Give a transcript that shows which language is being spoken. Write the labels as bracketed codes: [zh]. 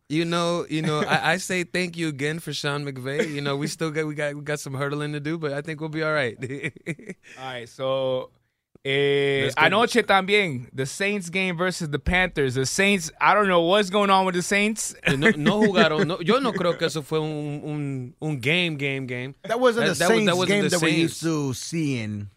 [en] You know, I say thank you again for Sean McVay. You know, we got some hurdling to do, but I think we'll be all right. All right, so [es] anoche también, [en] the Saints game versus the Panthers. The Saints, I don't know what's going on with the Saints. [es] No jugaron. Yo no creo que eso fue un game. [en] That wasn't the Saints game that we used to see.